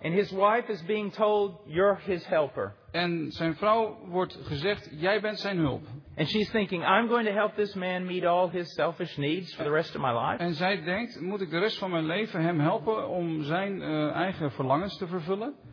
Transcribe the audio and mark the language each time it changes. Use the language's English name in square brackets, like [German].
[English] And his wife is being told, "You're his helper." [Dutch] En zijn vrouw wordt gezegd, jij bent zijn hulp. [English] And she's thinking, I'm going to help this man meet all his selfish needs for the rest of my life. [Dutch] En zij denkt, moet ik de rest van mijn leven hem helpen om zijn eigen verlangens te vervullen?